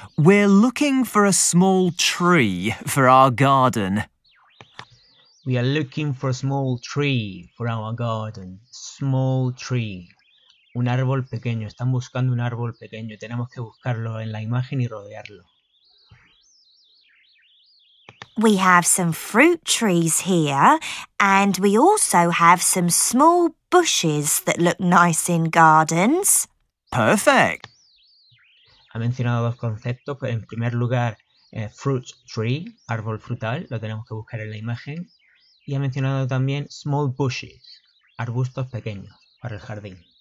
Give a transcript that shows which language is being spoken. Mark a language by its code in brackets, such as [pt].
[en] We're looking for a small tree for our garden. We are looking for a small tree for our garden. Small tree. [es] Un árbol pequeño. Están buscando un árbol pequeño. Tenemos que buscarlo en la imagen y rodearlo. [en] We have some fruit trees here, and we also have some small bushes that look nice in gardens. Perfect. [es] Ha mencionado dos conceptos. En primer lugar, fruit tree, árbol frutal, lo tenemos que buscar en la imagen. Y ha mencionado también small bushes, arbustos pequeños para el jardín.